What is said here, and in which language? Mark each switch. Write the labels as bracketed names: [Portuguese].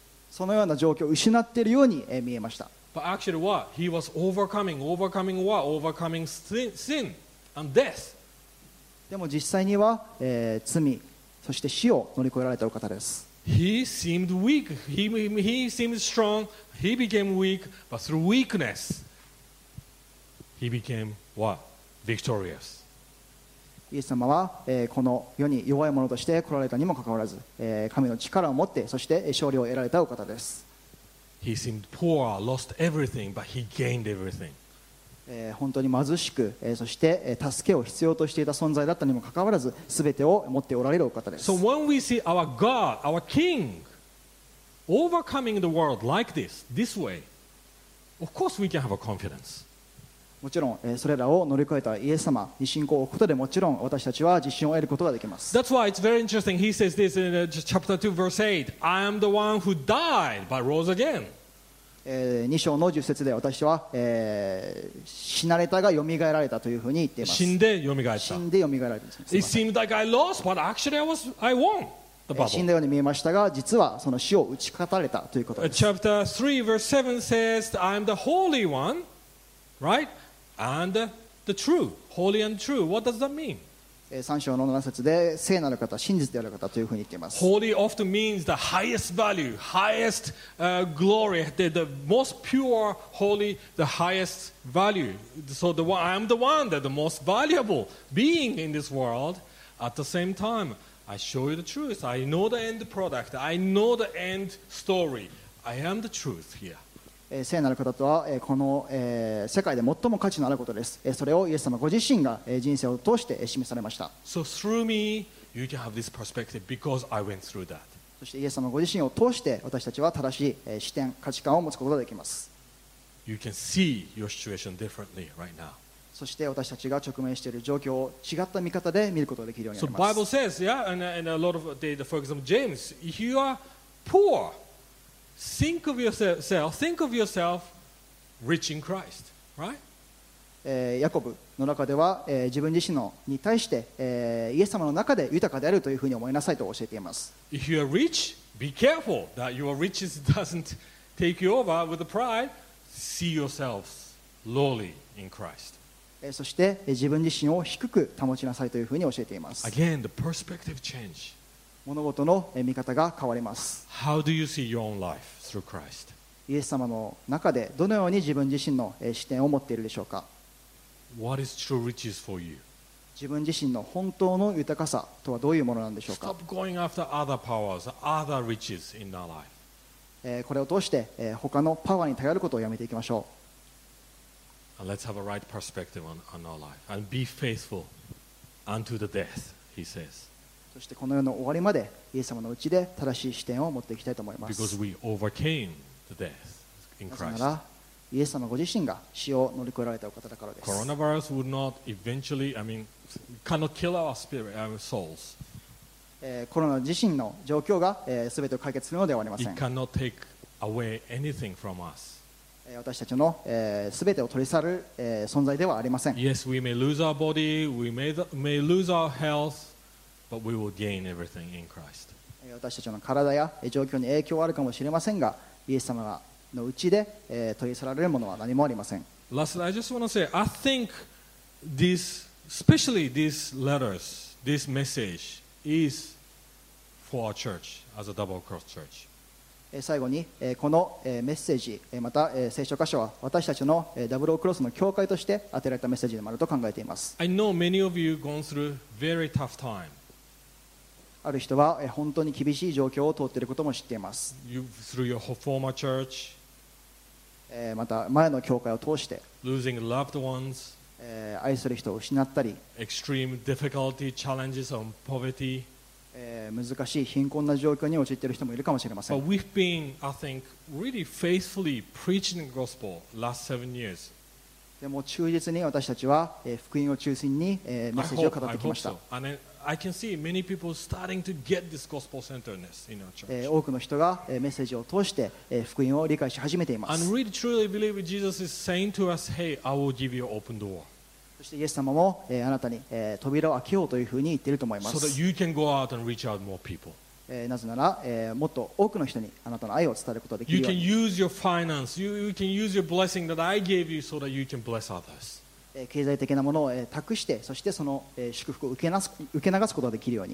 [Japanese] そのような状況を失っているように見えました。 [English] But actually what? He was overcoming what? Overcoming sin and death. [Japanese] でも実際には、罪そして死を乗り越えられたお方です。 [English] He seemed weak. He seemed strong. He became weak, but through weakness, he became what? Victorious. [Japanese] イエス様は、この世に弱い者として来られたにもかかわらず、神の力を持ってそして勝利を得られたお方です。 [English] He seemed poor, lost everything, but he gained everything. [Japanese] 本当に貧しく、そして助けを必要としていた存在だったにもかかわらず、すべてを持っておられるお方です。 [English] So when we see our God, our King, overcoming the world like this, this way, of course we can have a confidence. [Japanese] もちろん、それらを乗り越えたイエス様に信仰を置くことでもちろん私たちは自信を得ることができます。 [English] That's why it's very interesting. He says this in chapter 2, verse 8. I am the one who died but rose again. [Japanese] 2章の10節で私は、死なれたがよみがえられたというふうに言っています。死んでよみがえった。死んでよみがえられた。 [English] It seemed like I lost, but actually I won the battle. [Japanese] 死んだように見えましたが、実はその死を打ち勝たれたということです。 [English] Chapter 3, verse 7 says, I am the holy one, right? And the true, holy and true. What does that mean? [Japanese] 3章の7節で聖なる方、真実である方というふうに言っています。 [English] Holy often means the highest value, highest glory, the most pure holy, the highest value. So the one, I am the one that the most valuable being in this world. At the same time, I show you the truth. I know the end product. I know the end story. I am the truth here. [Japanese] 聖なる方とはこの世界で最も価値のあることです。それをイエス様ご自身が人生を通して示されました。 [English] So through me, You can have this perspective because I went through that. [Japanese] そしてイエス様ご自身を通して私たちは正しい視点、価値観を持つことができます。 [English] You can see your situation differently right now. [Japanese] そして私たちが直面している状況を違った見方で見ることができるようになります。 [English] So Bible says, yeah, and a lot of data, for example, James, if you are poor, think of yourself rich in Christ, right? [Japanese] ヤコブの中では、自分自身のに対して、イエス様の中で豊かであるというふうに思いなさいと教えています。 [English] If you are rich, be careful that your riches doesn't take you over with pride. See yourself lowly in Christ. [Japanese] そして、自分自身を低く保ちなさいというふうに教えています。 [English] Again, the perspective change. [Japanese] 物事の見方が変わります。 [English] How do you see your own life through Christ? [Japanese] イエス様の中でどのように自分自身の視点を持っているでしょうか。 [English] What is true riches for you? [Japanese] 自分自身の本当の豊かさとはどういうものなんでしょうか。 [English] Stop going after other powers, other riches in our life. [Japanese] これを通して他のパワーに頼ることをやめていきましょう。 [English] And let's have a right perspective on our life and be faithful unto the death, he says. [Japanese] そしてこの世の終わりまでイエス様のうちで正しい視点を持っていきたいと思います。 [English] Because we overcame the death in Christ. [Japanese] なぜならイエス様ご自身が死を乗り越えられたお方だからです。 [English] Coronavirus would not eventually, cannot kill our spirit, our souls. [Japanese] コロナ自身の状況が全てを解決するのではありません。 [English] It cannot take away anything from us. [Japanese] 私たちの全てを取り去る存在ではありません。 [English] Yes, we may lose our body, we may lose our health,But we will gain everything in Christ. [Japanese] 私たちの体や状況に影響はあるかもしれませんが、イエス様のうちで取り去られるものは何もありません。 [English] Lastly, I just want to say, I think this, especially these letters, this message is for our church as a double cross church. [Japanese] 最後にこのメッセージ、また聖書箇所は私たちのダブルクロスの教会として当てられたメッセージでもあると考えています。 [English] I know many of you gone through very tough time [Japanese] ある人は本当に厳しい状況を通っていることも知っています。 [English] through your former church, [Japanese] また前の教会を通して [English] losing loved ones, [Japanese] 愛する人を失ったり [English] extreme difficulty, challenges on poverty, [Japanese] 難しい貧困な状況に陥っている人もいるかもしれません。 [English] But we've been, I think, really faithfully preaching the gospel last 7 years. [Japanese] でも忠実に私たちは福音を中心にメッセージを語ってきました。 [English] I hope so. I can see many people starting to get this gospel centeredness in our church. [Japanese] 多くの人がメッセージを通して福音を理解し始めています。 [English] And really truly believe Jesus is saying to us, "Hey, I will give you open door." [Japanese] そしてイエス様もあなたに扉を開けようというふうに言っていると思います。 [English] So that you can go out and reach out more people. [Japanese] なぜならもっと多くの人にあなたの愛を伝えることができるように。 [English] You can use your finance. You can use your blessing that I gave you so that you can bless others. [Japanese] 経済的なものを託してそしてその祝福を受け流すことができるように。